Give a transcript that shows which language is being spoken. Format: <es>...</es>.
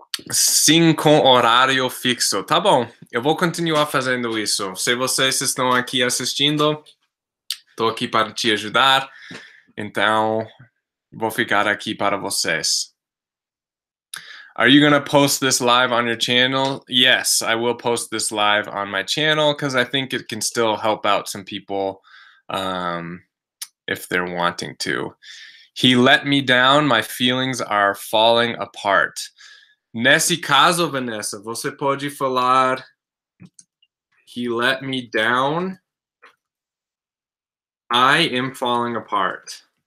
<pt>Sim, com horário fixo. Tá bom, eu vou continuar fazendo isso. Se vocês estão aqui assistindo, tô aqui para te ajudar. Então, vou ficar aqui para vocês.</pt> <en>Are you going to post this live on your channel? Yes, I will post this live on my channel because I think it can still help out some people if they're wanting to. He let me down. My feelings are falling apart.</en> <pt>Nesse caso, Vanessa, você pode falar</pt> <en>he let me down, I am falling apart.</en>